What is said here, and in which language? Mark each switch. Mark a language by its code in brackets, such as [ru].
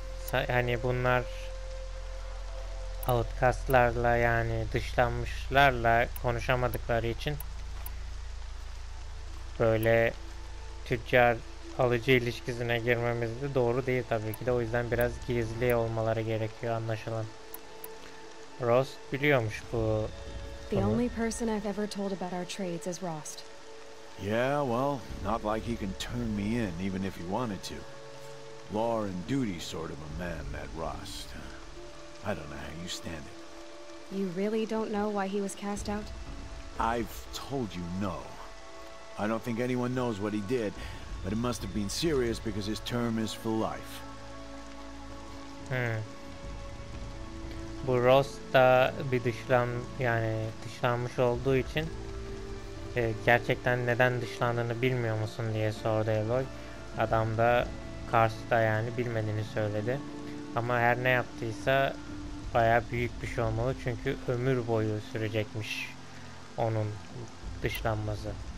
[tr] Hani bunlar outcastlarla, yani dışlanmışlarla konuşamadıkları için böyle tüccar alıcı ilişkisine girmemiz de doğru değil tabii ki de. O yüzden biraz gizli olmaları gerekiyor, anlaşılan. Rost biliyormuş bu. [en] The only person I've ever told about our trades is Rost. Yeah, well, not like he can turn me in even if he wanted to. Law and duty sort of a man, that Rost. I don't know how you stand it. You really don't know why he was cast out? I've told you no. I don't think anyone knows what he did, but it must have been serious because his term is for life. Hmm. [tr] Bu Ross da bir dışlanmış olduğu için gerçekten neden dışlandığını bilmiyor musun diye sordu Eloy. Adam da Karst'a yani bilmediğini söyledi. Ama her ne yaptıysa bayağı büyük bir şey olmalı, çünkü ömür boyu sürecekmiş onun dışlanması.